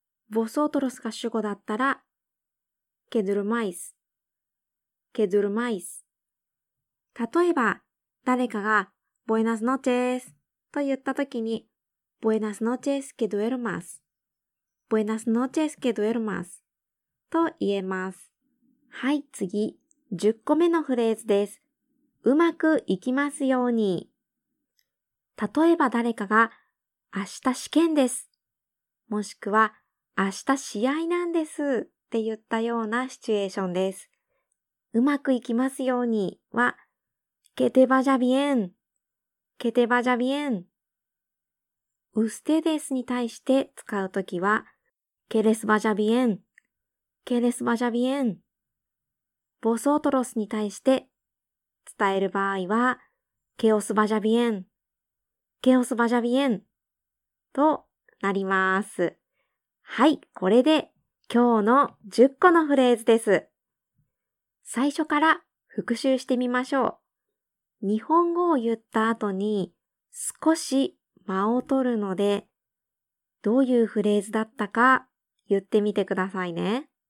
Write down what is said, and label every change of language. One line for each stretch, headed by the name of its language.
Japanese: vosotros が主語だったら、
Spanish: que durmáis。que durmáis。
Japanese: 例えば、誰かが、buenas noches と言ったときに、
Spanish: Buenas noches, que duermas. Buenas noches, que duermas.
Japanese: と言えます。はい、次、10個目のフレーズです。うまくいきますように。例えば誰かが、明日試験です。もしくは、明日試合なんです。って言ったようなシチュエーションです。うまくいきますようには、
Spanish: que te vaya bien。 que te vaya bien。
Japanese: ustedes に対して使うときは、
Spanish: que les vaya bien, que les vaya bien。
Japanese: vosotros に対して伝える場合は、
Spanish: que os vaya bien, que os vaya bien
Japanese: となります。はい、これで今日の10個のフレーズです。最初から復習してみましょう。日本語を言った後に少し間を取るので、どういうフレーズだったか言ってみてくださいね。